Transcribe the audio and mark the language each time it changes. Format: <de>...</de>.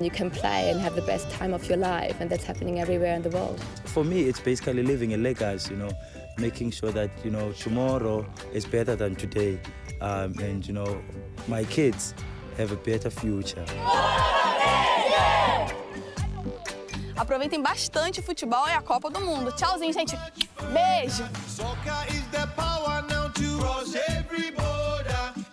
<en>You can play and have the best time of your life, and that's happening everywhere in the world. For me, it's basically living a legacy, you know, making sure that, you know, tomorrow is better than today. And, you know, my kids have a better future.</en> <pt>Aproveitem bastante o futebol e a Copa do Mundo. Tchauzinho, gente. Beijo.</pt> <en>Soca is the power now to cross every border.</en>